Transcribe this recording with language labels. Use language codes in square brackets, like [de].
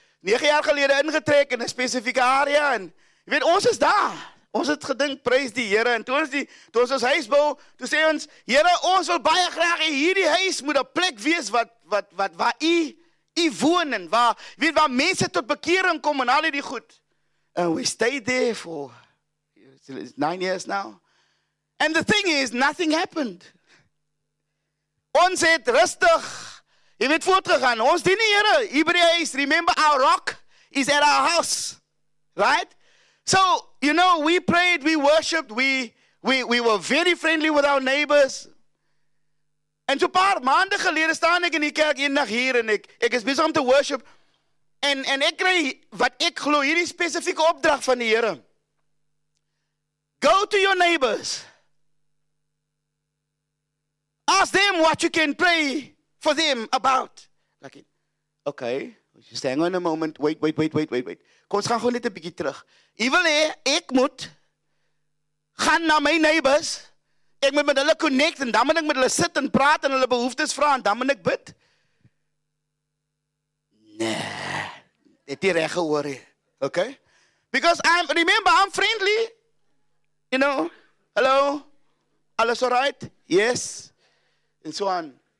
[af] 9 jaar gelede ingetrek in 'n spesifieke area. En jy weet, ons is daar. Ons het gedink, prys die Here. En toe ons ons huis bou, toe sê ons, Here, ons wil baie graag hierdie huis moet 'n plek wees wat waar u woon en waar, jy weet, waar mense tot bekering kom en al die goed. [en] And we stayed there for 9 years now. And the thing is, nothing happened. [af] Ons het rustig, jy weet, voortgegaan. Ons dien die Here. [en] Hebreërs, remember our rock is at our house. Right? So, you know, we prayed, we worshipped, we were very friendly with our neighbors. [af] En so paar maande gelede staan ek in die kerk eendag hier en ek is besig om te worship. En ek kry wat ek glo hierdie spesifieke opdrag van die Here. [en] Go to your neighbors. Ask them what you can pray for them about. Like, okay, just hang on a moment. Wait. [af] Kom, ons gaan gewoon net 'n bietjie terug. Jy wil hê ek moet gaan na my neighbors. Ek moet met hulle connect en dan moet ek met hulle sit en praat en hulle behoeftes vra en dan moet ek bid. Nee. Het jy reg gehoor hê? [en] Okay? Because I'm friendly. You know? Hello. Alles alright? Yes. And so on.